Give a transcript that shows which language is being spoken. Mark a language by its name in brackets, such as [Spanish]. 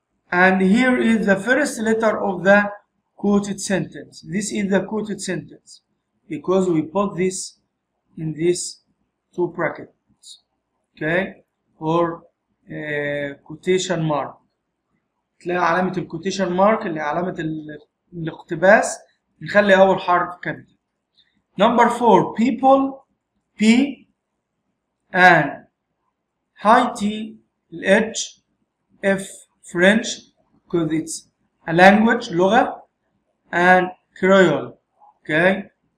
[English] And here is the first letter of the quoted sentence. This is the quoted sentence because we put this in this two brackets, okay, or quotation mark. [Arabic] تلاقي علامة الكوتيشن مارك اللي علامة الاقتباس نخلي أول حرف كده. [English] Number four, people, P and high T, H, F, French, because it's a language, لغة, and Creole, okay.